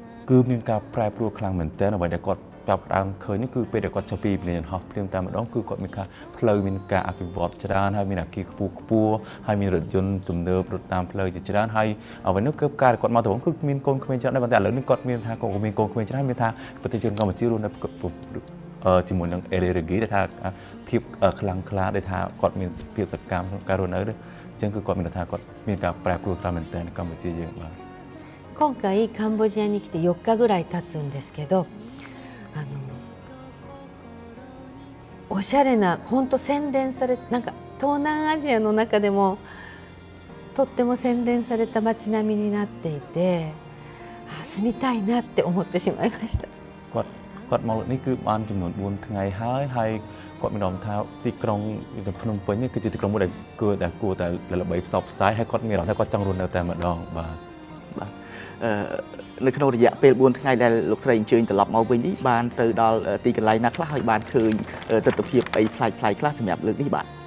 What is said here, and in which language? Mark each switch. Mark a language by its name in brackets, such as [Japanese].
[Khmer] គឺមានការប្រែប្រួលខ្លាំងមែនទែនអ្វីដែលគាត់ចាប់ដើមឃើញនេះគឺពេលដែលគាត់ចុះពីយន្តហោះព្រៀងតាមម្ដងគឺគាត់មានការផ្លូវមានការអភិវឌ្ឍច្រើនហើយមានអាគារខ្ពស់ខ្ពស់ហើយមានរថយន្តទំនើបរត់តាមផ្លូវជាច្រើនហើយអ្វីនោះគឺការគាត់មកដំបូងគឺមានកូនក្មេងច្រើនតែឥឡូវនេះគាត់មានថាគាត់មានកូនក្មេងច្រើនមានថាប្រជាជនកម្ពុជារស់នៅជាមួយនឹងអេរ៉ាគីថាភាពខ្លាំងក្លាដែលថាគាត់មានភាពសកម្មក្នុងការរស់នៅអញ្ចឹងគឺគាត់មានថាគាត់មានការប្រែប្រួលខ្លាំងមែនទែននៅកម្ពុជាយើងបាទ [Japanese] 今回カンボジアに来て4日ぐらい経つんですけど、おしゃれな、本当洗練されなんか東南アジアの中でもとっても洗練された街並みになっていて、あ、住みたいなって思ってしまいました。 [Khmer] គាត់មកនេះគឺបានចំនួន4ថ្ងៃហើយគាត់មានអារម្មណ៍ថាទីក្រុងភ្នំពេញនេះគឺជាទីក្រុងមួយដែលគួរតែល្បីផ្សព្វផ្សាយហើយគាត់មានអារម្មណ៍ថាគាត់ចង់រស់នៅតែម្ដងបាទ នៅក្នុងរយៈពេល4ថ្ងៃដែលលោកស្រីអញ្ជើញត្រឡប់មកវិញនេះបានទៅដល់ទីកន្លែងណាខ្លះហើយបានឃើញទិដ្ឋភាពអីផ្លាច់ផ្លាយខ្លះសម្រាប់លើកនេះបាទ